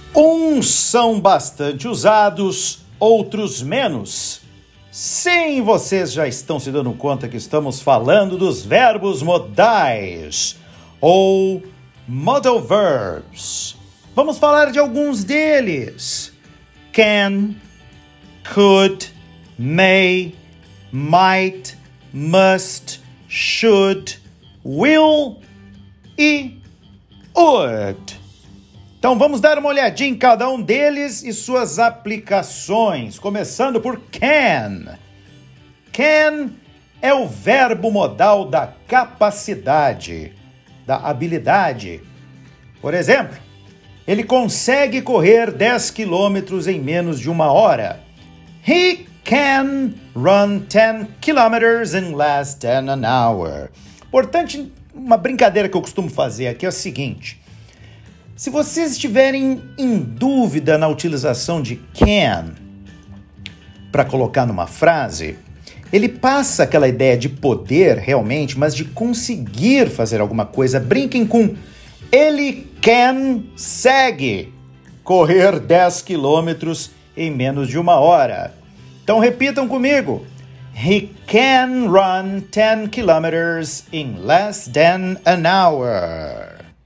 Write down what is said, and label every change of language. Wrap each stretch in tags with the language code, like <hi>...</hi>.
<pt>Uns são bastante usados, outros menos. Sim, vocês já estão se dando conta que estamos falando dos verbos modais, ou</pt> <en>modal verbs.</en> <pt>Vamos falar de alguns deles.</pt> <en>Can, could, may, might, must, should, will e would.</en> <pt>Então vamos dar uma olhadinha em cada um deles e suas aplicações, começando por can. Can é o verbo modal da capacidade, da habilidade. Por exemplo, ele consegue correr 10 quilômetros em menos de uma hora.</pt> <en>He can run 10 kilometers in less than an hour.</en> <pt>Importante, uma brincadeira que eu costumo fazer aqui é o seguinte. Se vocês estiverem em dúvida na utilização de can para colocar numa frase, ele passa aquela ideia de poder realmente, mas de conseguir fazer alguma coisa. Brinquem com ele consegue correr 10 quilômetros em menos de uma hora. Então repitam comigo.</pt> <en>He can run 10 kilometers in less than an hour.</en>